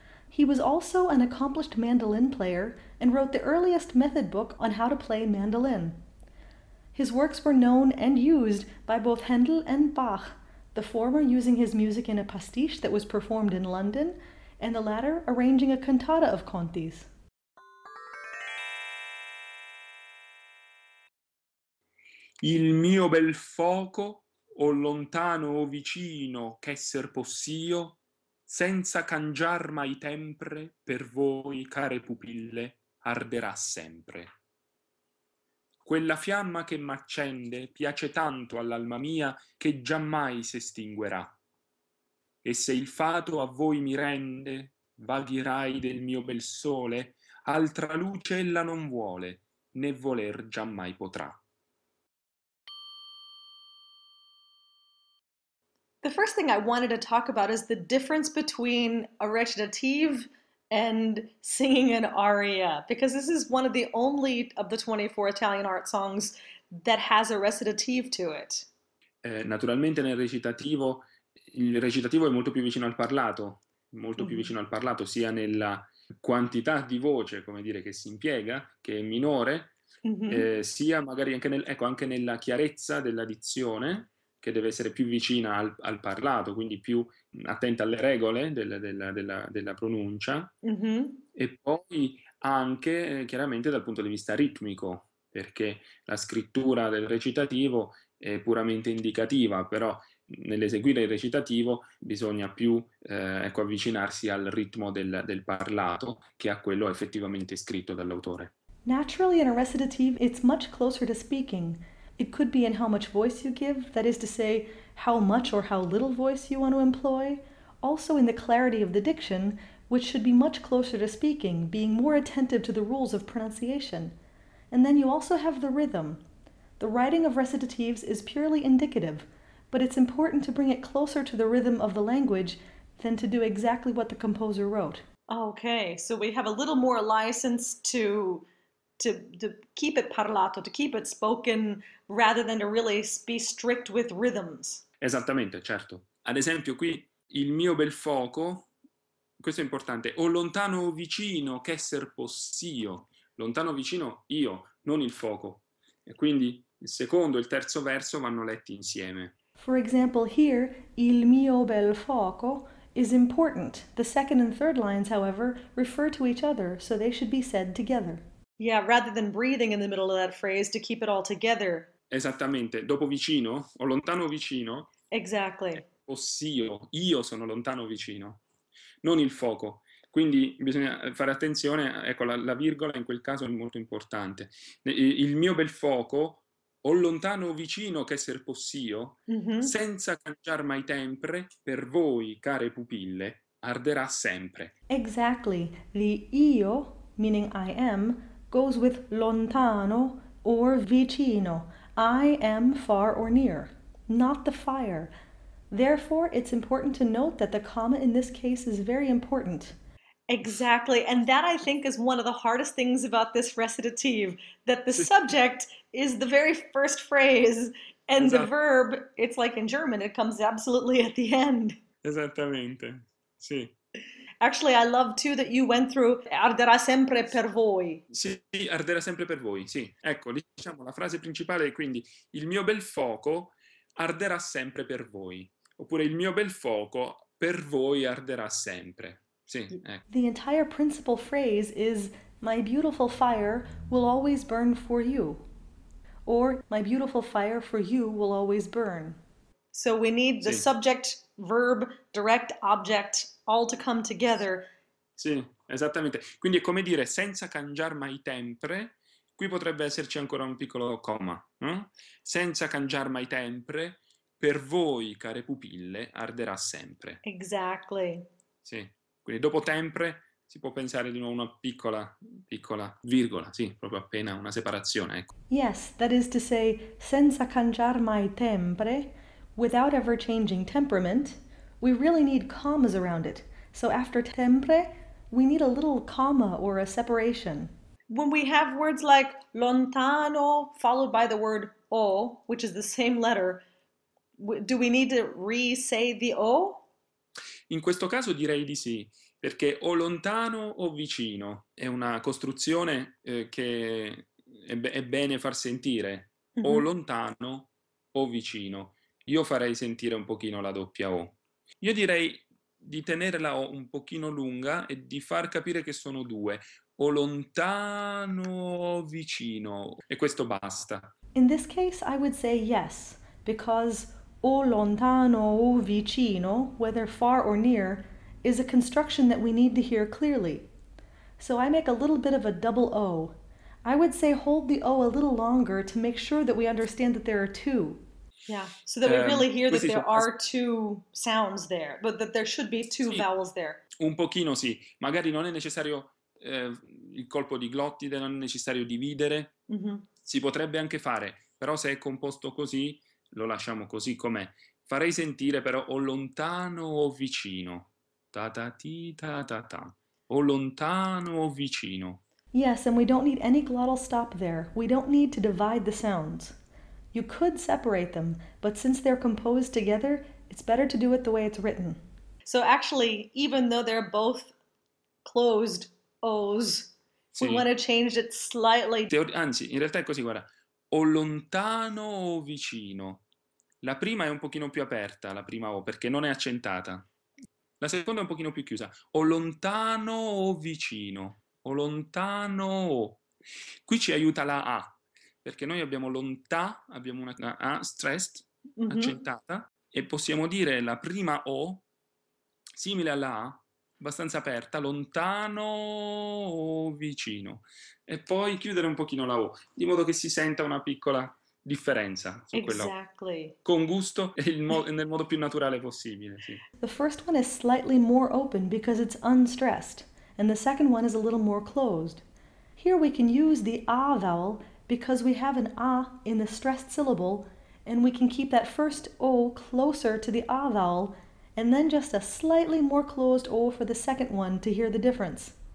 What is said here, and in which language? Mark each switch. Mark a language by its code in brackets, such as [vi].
[en] He was also an accomplished mandolin player and wrote the earliest method book on how to play mandolin. His works were known and used by both Handel and Bach, the former using his music in a pastiche that was performed in London, and the latter arranging a cantata of Conti's. [it] Il mio bel fuoco, o lontano o vicino, ch'esser possio, senza cangiar mai tempre, per voi, care pupille, arderà sempre. Quella fiamma che m'accende piace tanto all'alma mia che giammai s'estinguerà. E se il fato a voi mi rende, vaghi rai del mio bel sole, altra luce ella non vuole, né voler giammai potrà. [en] The first thing I wanted to talk about is the difference between a recitative and singing an aria, because this is one of the only of the 24 Italian art songs that has a recitative to it. [it] Naturalmente nel recitativo, il recitativo è molto più vicino al parlato, più vicino al parlato, sia nella quantità di voce, come dire, che si impiega, che è minore, sia magari anche anche nella chiarezza della dizione, che deve essere più vicina al parlato, quindi più attenta alle regole della pronuncia, e poi anche chiaramente dal punto di vista ritmico, perché la scrittura del recitativo è puramente indicativa, però nell'eseguire il recitativo bisogna più avvicinarsi al ritmo del parlato che a quello effettivamente scritto dall'autore. [en] Naturally in a recitative it's much closer to speaking. It could be in how much voice you give, that is to say, how much or how little voice you want to employ. Also in the clarity of the diction, which should be much closer to speaking, being more attentive to the rules of pronunciation. And then you also have the rhythm. The writing of recitatives is purely indicative, but it's important to bring it closer to the rhythm of the language than to do exactly what the composer wrote. Okay, so we have a little more license to keep it parlato, to keep it spoken, rather than to really be strict with rhythms. [it] Esattamente, certo. Ad esempio qui, il mio bel fuoco, questo è importante, o lontano o vicino, che esser possio. Lontano o vicino, io, non il fuoco. E quindi il secondo e il terzo verso vanno letti insieme. [en] For example here, il mio bel fuoco is important. The second and third lines, however, refer to each other, so they should be said together. Yeah, rather than breathing in the middle of that phrase to keep it all together. [it] Esattamente. Dopo vicino, o lontano vicino. [en] Exactly. [it] Ossio, io sono lontano vicino. Non il fuoco. Quindi bisogna fare attenzione, ecco, la virgola in quel caso è molto importante. Il mio bel fuoco, o lontano vicino che esser possio, senza cangiar mai tempre, per voi, care pupille, arderà sempre. [en] Exactly. The io, meaning I am, goes with lontano or vicino, I am far or near, not the fire. Therefore, it's important to note that the comma in this case is very important. Exactly, and that I think is one of the hardest things about this recitative, that the subject is the very first phrase, and the verb, it's like in German, it comes absolutely at the end. [it] Esattamente, sì. [en] Actually, I love too that you went through Arderà sempre per voi. [it] Sì, arderà sempre per voi, sì. Ecco, diciamo la frase principale è quindi il mio bel fuoco arderà sempre per voi. Oppure il mio bel fuoco per voi arderà sempre. Sì, ecco. [en] The entire principal phrase is my beautiful fire will always burn for you. Or my beautiful fire for you will always burn. So we need the sì. Subject, verb, direct object all to come together. [it] Sì, esattamente. Quindi è come dire senza cangiar mai tempre. Qui potrebbe esserci ancora un piccolo comma. Eh? Senza cangiar mai tempre, per voi, care pupille, arderà sempre. [en] Exactly. [it] Sì, quindi dopo tempre si può pensare di nuovo una piccola, piccola virgola. Sì, proprio appena una separazione. Ecco. [en] Yes, that is to say, senza cangiar mai tempre, without ever changing temperament, we really need commas around it. So after tempre, we need a little comma or a separation. When we have words like lontano followed by the word o, which is the same letter, do we need to re-say the o? [it] In questo caso direi di sì, perché o lontano o vicino è una costruzione che è bene far sentire. Mm-hmm. O lontano o vicino. Io farei sentire un pochino la doppia O. Io direi di tenere la O un pochino lunga e di far capire che sono due. O lontano o vicino. E questo basta. [en] In this case I would say yes, because o lontano o vicino, whether far or near, is a construction that we need to hear clearly. So I make a little bit of a double O. I would say hold the O a little longer to make sure that we understand that there are two. Yeah, so that we really hear that there are two sounds there, but that there should be two sì, vowels there. [it] Un pochino sì, magari non è necessario il colpo di glottide, non è necessario dividere, mm-hmm. si potrebbe anche fare, però se è composto così, lo lasciamo così com'è. Farei sentire però o lontano o vicino, ta-ta-ti-ta-ta-ta, o lontano o vicino. [en] Yes, and we don't need any glottal stop there, we don't need to divide the sounds. You could separate them, but since they're composed together, it's better to do it the way it's written. So actually, even though they're both closed O's, sì. We want to change it slightly. [it] Anzi, in realtà è così, guarda. O lontano o vicino. La prima è un pochino più aperta, la prima O, perché non è accentata. La seconda è un pochino più chiusa. O lontano o vicino. O lontano o. Qui ci aiuta la A. Perché noi abbiamo lontà, abbiamo una A stressed, mm-hmm. accentata, e possiamo dire la prima O, simile alla A, abbastanza aperta, lontano o vicino. E poi chiudere un pochino la O, di modo che si senta una piccola differenza. Su [en] exactly. [it] Quella con gusto e nel modo più naturale possibile, sì. [en] The first one is slightly more open because it's unstressed, and the second one is a little more closed. Here we can use the A vowel, because we have an A in the stressed syllable, and we can keep that first O closer to the A vowel, and then just a slightly more closed O for the second one to hear the difference.